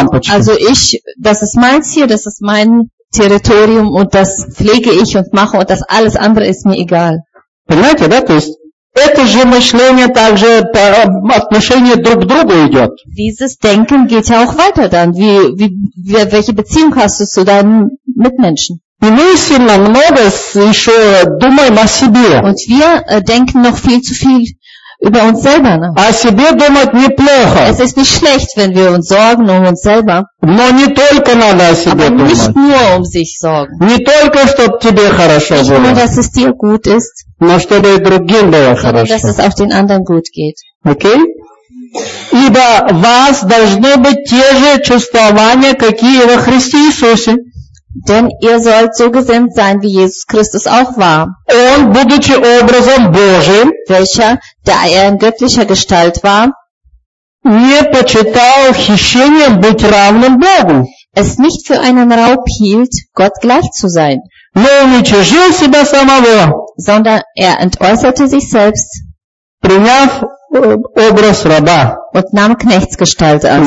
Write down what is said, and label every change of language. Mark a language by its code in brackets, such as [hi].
[de] Also ich, das ist meins hier, das ist mein Territorium und das pflege ich und mache und das alles andere ist mir egal. [ru] Понимаете, да? То есть это же мышление также по отношению друг к другу идет. [de] Dieses Denken geht ja auch weiter dann. Welche Beziehung hast du zu deinen Mitmenschen? [ru] И мы сильно много еще думаем о себе. [de] Und wir denken noch viel zu viel über uns selber. Ne? [ru] О себе думать неплохо. [de] Es ist nicht schlecht, wenn wir uns sorgen um uns selber. [ru] Но не только надо о себе [de] aber [ru] думать. [de] Nicht nur um sich sorgen. [ru] Не только, чтобы тебе хорошо [de] nicht [ru] было. [de] Nicht nur, dass es dir gut ist. [ru] Но чтобы и другим было [de] sondern [ru] хорошо. [de] Dass es auch den anderen gut geht. Okay? [ru] Ибо вас должны быть те же чувствования, какие во Христе Иисусе. [de] Denn ihr sollt so gesinnt sein, wie Jesus Christus auch war. [ru] Und будучи образом Божиим, [de] welcher, da er in göttlicher Gestalt war, [ru] не почитал хищением быть равным Богу. [de] Es nicht für einen Raub hielt, Gott gleich zu sein. [ru] Но уничижил себя самого. [de] Sondern er entäußerte sich selbst. [ru] Приняв образ раба. [de] Und nahm Knechtsgestalt an.